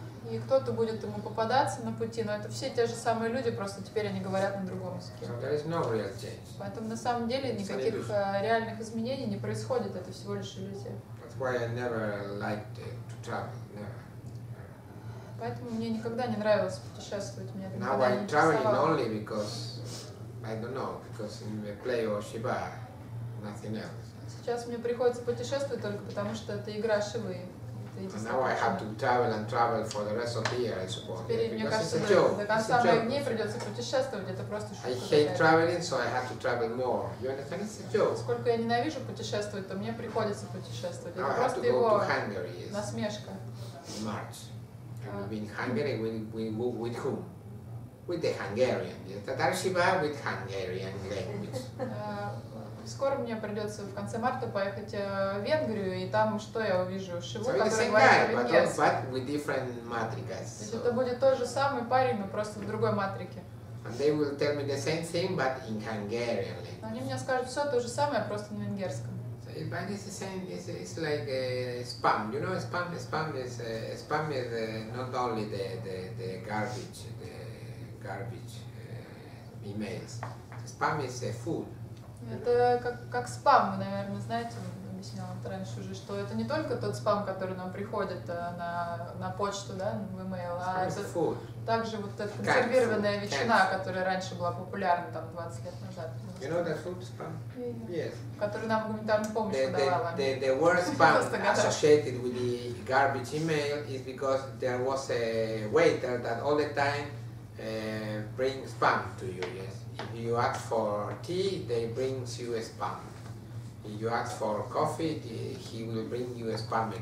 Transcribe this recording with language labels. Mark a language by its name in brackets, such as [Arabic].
[Russian] И кто-то будет ему попадаться на пути, но это все те же самые люди, просто теперь они говорят на другом языке. [English] So there is no real change. [Russian] Поэтому на самом деле [English] it's [Russian] никаких реальных изменений не происходит, это всего лишь иллюзия. [English] That's why I never liked to travel, never. [Russian] Поэтому мне никогда не нравилось путешествовать, мне это никогда не интересовало. [English] Now I'm traveling only because, I don't know, because in the play of Shiva, nothing else. [Russian] Сейчас мне приходится путешествовать только потому, что это игра Шивы. [English] Now I have to travel and travel for the rest of the year, I suppose. [Russian] Теперь, мне кажется, до конца моих дней придется путешествовать, это просто шутка. [English] I hate traveling, so I have to travel more. You understand? It's a joke. [Russian] Сколько я ненавижу путешествовать, то мне приходится путешествовать. [English] Now [Russian] это просто его [English] Hungary, yes. [Russian] Насмешка. [English] In March. We in Hungary, we move with whom? With the Hungarian. Татар Шива with Hungarian language. [Russian] Скоро мне придется в конце марта поехать в Венгрию, и там что я увижу? Шиву, который говорит венгерский. [English] So it's the same guy, but with different matrices. [Russian] Это будет тот же самый парень, но просто в другой матрике. [English] And they will tell me the same thing, but in Hungarian language. [Russian] Они мне скажут все то же самое, просто на венгерском. [English] But it's the same. It's like spam. You know, spam. Spam is not only the garbage, emails. Spam is food. [Russian] Это как спам, вы, наверное, знаете, объяснял раньше уже, что это не только тот спам, который нам приходит на почту, да, в email, а это [English] food. [Russian] Также вот эта консервированная ветчина, которая раньше была популярна там 20 лет назад. [English] You know that food spam? Yes. [Russian] Которую нам гуманитарную помощь подавала. [English] The word spam associated with the garbage email is because there was a waiter that all the time brings spam to you, yes. If you ask for tea, they bring you a spam. If you ask for coffee, he will bring you a spam again.